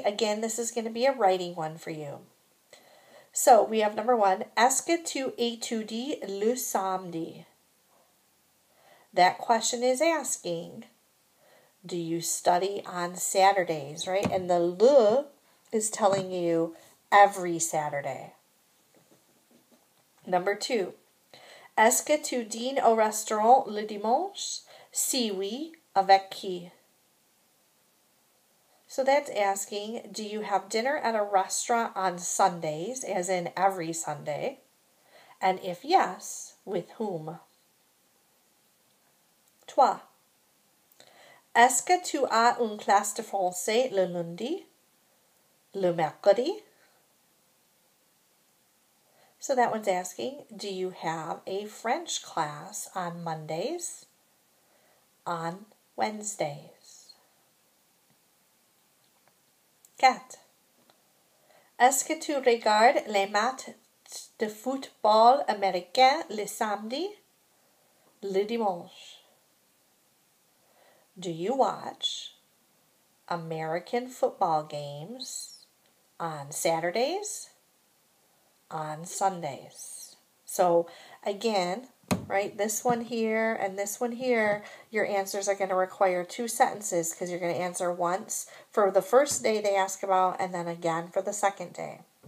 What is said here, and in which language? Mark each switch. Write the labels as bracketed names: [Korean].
[English] Again, this is going to be a writing one for you. So we have number one, [French] est-ce que tu étudies le samedi? [English] That question is asking, do you study on Saturdays, right? And the le is telling you every Saturday. Number two, [French] est-ce que tu dînes au restaurant le dimanche? Si oui, avec qui? [English] So that's asking, do you have dinner at a restaurant on Sundays, as in every Sunday? And if yes, with whom? [French] Trois, est-ce que tu as une classe de français le lundi, le mercredi? [English] So that one's asking, do you have a French class on Mondays, on Wednesdays? [French] Quatre, est-ce que tu regardes les matchs de football américain le samedi, le dimanche? [English] Do you watch American football games on Saturdays, on Sundays? So again, right, this one here and this one here, your answers are going to require two sentences because you're going to answer once for the first day they ask about and then again for the second day.